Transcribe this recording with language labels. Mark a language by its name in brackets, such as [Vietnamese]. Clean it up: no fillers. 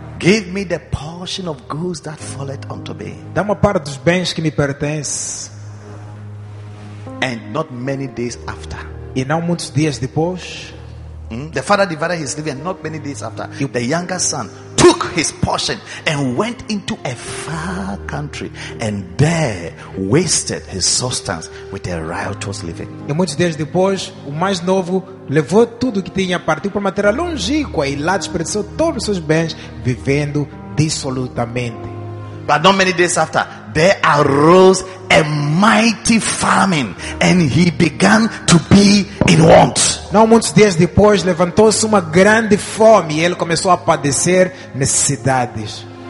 [English] Give me the portion of goods that falleth unto me. [Portuguese] Dá-me parte dos bens que me pertence. [English] And not many days after. [Portuguese] E não muitos dias depois. [English] The father divided his living, not many days after. The younger son took his portion and went into a far country and there wasted his substance with a riotous living. [Portuguese] E muitos dias depois, o mais novo levou tudo que tinha, partiu para uma terra longínqua e lá desperdiçou todos os seus bens vivendo dissolutamente. [English] But not many days after, there arose a mighty famine and he began to be in want. [Portuguese] Não muitos dias depois levantou-se uma grande fome e ele começou a padecer necessidades.